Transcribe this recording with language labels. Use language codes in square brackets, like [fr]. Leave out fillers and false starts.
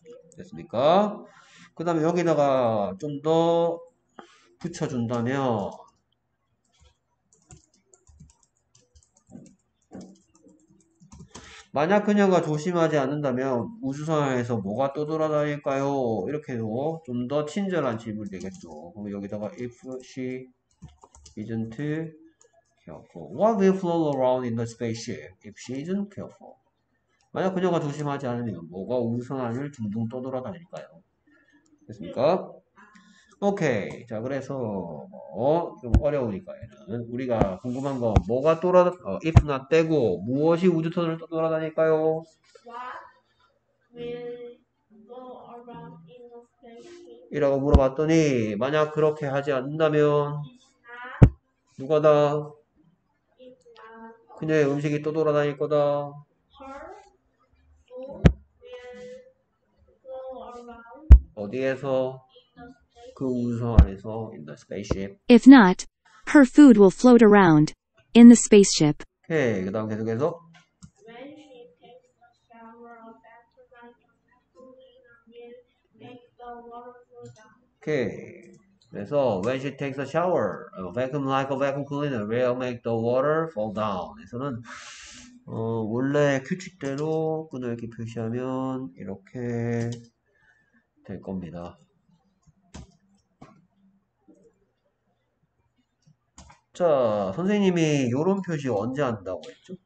[ko] 됐습니까? 그 다음에 여기다가 좀 더 붙여준다면 만약 그녀가 조심하지 않는다면 우주선에서 뭐가 떠돌아다닐까요? 이렇게 해서 좀 더 친절한 질문이 되겠죠. 그럼 여기다가 [en] if she isn't careful, what will float around in the spaceship if she isn't careful? [ko] 만약 그녀가 조심하지 않으면 뭐가 우주선 안을 둥둥 떠돌아다닐까요? 됐습니까? 오케이. 자, 그래서 좀 어려우니까 얘는 우리가 궁금한 건 뭐가 돌아 [en] if not [ko] 빼고 무엇이 우주선을 떠돌아다닐까요? [en] What will go around in the spaceship? [ko] 이라고 물어봤더니 만약 그렇게 하지 않는다면 누가 다 그녀의 음식이 떠돌아다닐 거다. [en] Her food will go around [ko] 어디에서? 그 우주선 안에서 [en] in the spaceship. If not, her food will float around in the spaceship. [ko] 오케이, 그다음 계속해서. [en] When she takes a shower or bath like a vacuum cleaner will make the water fall down. [ko] 오케이, 그래서 [en] when she takes a shower, a vacuum like a vacuum cleaner will make the water fall down. [ko] 이거는 원래 규칙대로 그대로 이렇게 표시하면 이렇게 될 겁니다. 자, 선생님이 요런 표시 언제 한다고 했죠?